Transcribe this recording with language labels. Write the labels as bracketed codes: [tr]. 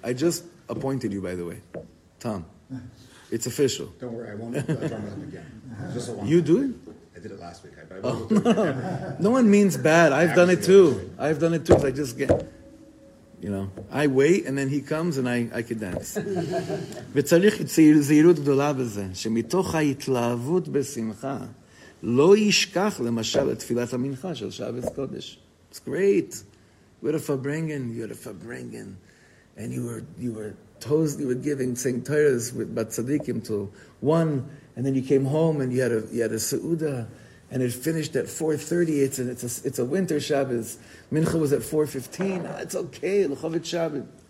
[en] I just appointed you, by the way. Tom. It's official. Don't worry, I won't drum it up again. Just a you do it? I I did it last week. No one means bad. I've done it too. I just get, you know, I wait and then he comes and I could dance. [he] וצריך זהירות גדולה בזה, שמתוך ההתלהבות בשמחה, לא ישכח למשל את תפילת המנחה של שבת קודש. [en] It's great. You're a Fabrengen. And you were giving, saying Torahs with Batzadikim to one, and then you came home and you had a Seuda, and it finished at 4:30. It's a winter Shabbos. Mincha was at 4:15. It's okay. L'chovit Shabbat.